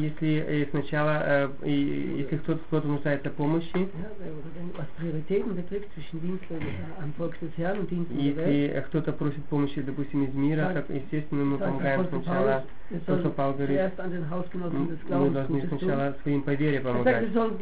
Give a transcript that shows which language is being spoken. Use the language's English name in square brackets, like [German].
[Russian] если сначала если кто-то нуждается в помощи, [German] was Prioritäten betrifft zwischen Dienstler am Volk des Herrn und Dienst der Welt, [Russian] если кто-то просит помощи, допустим, из мира, так естественно мы помогаем сначала, то что Павел говорит, мы должны сначала своим по вере помогать.